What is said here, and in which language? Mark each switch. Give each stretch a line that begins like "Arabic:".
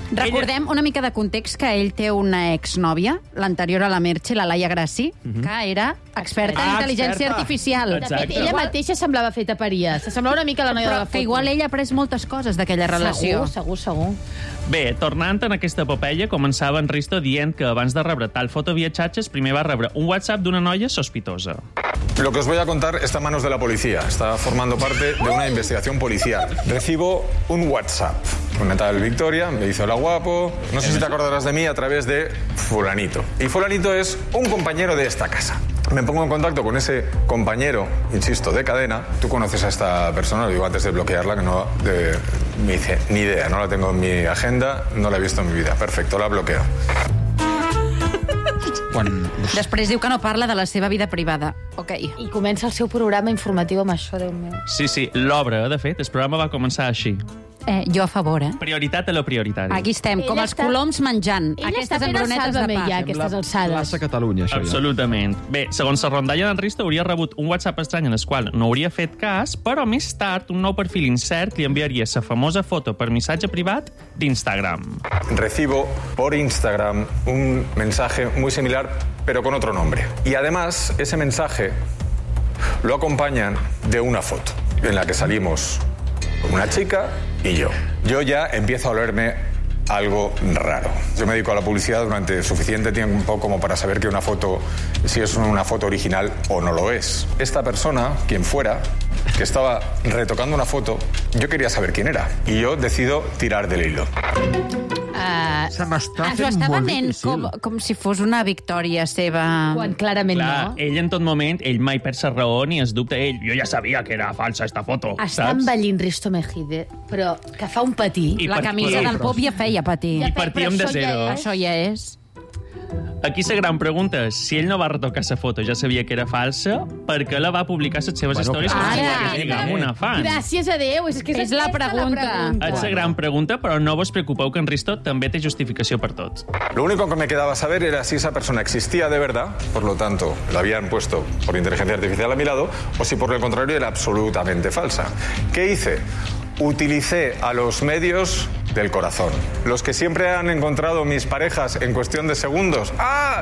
Catalan: Recordem una mica de context que ell té una exnòvia, l'anterior a la Merche, la Laia Grassi, que era experta en intel·ligència artificial. Exacte. Ella mateixa semblava feta per IA. Se semblava una mica la noia de la foto. Que igual ella ha après moltes coses d'aquella relació. Segur. Bé, tornant en aquesta epopeia, començava en Risto dient que abans de rebre tal foto via xatxes, primer va rebre un WhatsApp d'una noia sospitosa.
Spanish: Lo que os voy a contar está en manos de la policía. Está formando parte de una investigación policial. Recibo un WhatsApp. Me tal Victoria, me dice hola guapo. No sé si te acordarás de mí a través de fulanito. Y fulanito es un compañero de esta casa. Me pongo en contacto con ese compañero, insisto, de cadena. Tú conoces a esta persona, lo digo antes de bloquearla, que no me dice ni idea, no la tengo en mi agenda, no la he visto en mi vida. Perfecto, la bloqueo.
Catalan: Després diu que no parla de la seva vida privada. Ok. I comença el seu programa informatiu amb això, Déu meu. Sí, sí, l'obra, de fet, el programa va començar així. Jo a favor, eh? Prioritat a lo prioritari. Aquí estem, ell com està... els coloms menjant. Ell aquestes embrunetes de pa. Ja, aquestes alçades. Plaça Catalunya, això. Absolutament. Ja. Bé, segons la rondalla d'en Risto, hauria rebut un WhatsApp estrany en el qual no hauria fet cas, però més tard, un nou perfil incert li enviaria sa famosa foto per missatge privat d'Instagram. Recibo por Instagram un mensaje muy similar, pero con otro nombre. Y además, ese mensaje lo acompañan de una foto en la que salimos una chica y yo. Yo ya empiezo a olerme algo raro. Yo me dedico a la publicidad durante suficiente tiempo como para saber que una foto, si es una foto original o no lo es. Esta persona, quien fuera, que estaba retocando una foto, yo quería saber quién era. Y yo decido tirar del hilo. Se m'està fent molt difícil. Com si fos una victòria seva. Quan clarament clar, no. Ell en tot moment, ell mai perd la raó ni es dubta ell. Jo ja sabia que era falsa esta foto. Està envellint Risto Mejide, però que fa un patir. I la camisa del Pop ja feia patir. I partíem de zero. Ja això ja és. Aquí la gran pregunta és, si ell no va retocar sa foto, ja sabia que era falsa, per què la va publicar les seves històries? Bueno, ara! Amb una fan. Gràcies a Déu! És, que és la pregunta. És la gran pregunta, però no vos preocupeu que en Risto també té justificació per tot.
Spanish: Lo único que me quedaba saber era si esa persona existía de verdad, por lo tanto, la habían puesto por inteligencia artificial a mi lado, o si por el contrario era absolutamente falsa. ¿Qué hice? Utilicé a los medios del corazón. Los que siempre han encontrado mis parejas en cuestión de segundos. ¡Ah!